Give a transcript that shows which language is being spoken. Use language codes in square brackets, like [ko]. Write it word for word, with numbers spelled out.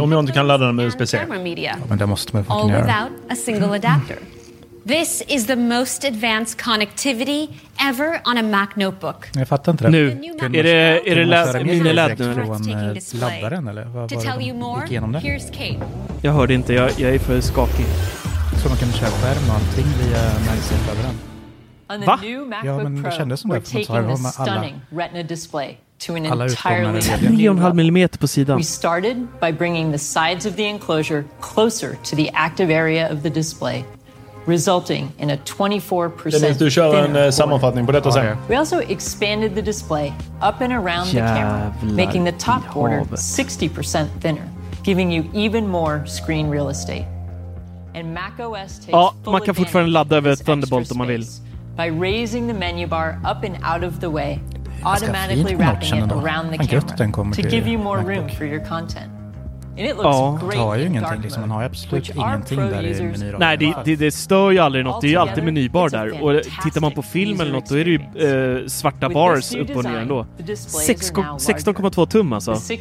[sv] Om jag inte kan ladda den med U S B C. Ja, men det måste man fucking göra. [en] This is the most advanced connectivity ever on a Mac notebook. [sv] Jag fattar inte det. Nu, är det, är det lä- miniladd nu? Laddaren eller vad var det de gick igenom det? Jag hörde inte, jag, jag är för skakig. Så man kan köra skärm och allting via MagSafe-laddaren. Va? Ja, men det kändes som det. För så här har man alla. Alla utformade tre komma fem millimeter på sidan. [en] We started by bringing the sides of the enclosure closer to the active area of the display. Resulting in a twenty-four percent [sv] du kör en uh, sammanfattning på detta sen. [en] Yeah. We also expanded the display up and around the camera, making the top corner sixty percent thinner, giving you even more screen real estate. And macOS takes [sv] ja, man kan fortfarande ladda över Thunderbolt om man vill. [en] By raising the menu bar up and out of the way, automatically wrapping it around the camera to give you more room for your content. [sv] Ja, det har ju ingenting liksom, man har absolut ingenting där i menyraden. Nej, det, det, det stör ju aldrig något, det är ju alltid menybar där. Och tittar man på film eller något, då är det ju eh, svarta bars upp och ner ändå. sexton komma två tum alltså.